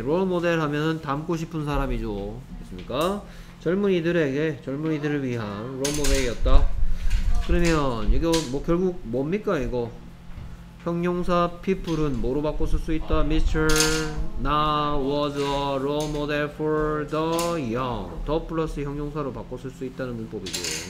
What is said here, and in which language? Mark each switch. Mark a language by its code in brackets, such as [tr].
[ko] 롤모델 하면은 닮고 싶은 사람이죠. 됐습니까? 젊은이들에게 젊은이들을 위한 롤모델이었다. 그러면 이거 뭐 결국 뭡니까 이거? 형용사 people은 뭐로 바꿔 쓸 수 있다? Mr. [en] Na was a role model for the young. [ko] 더 플러스 형용사로 바꿔 쓸 수 있다는 문법이죠.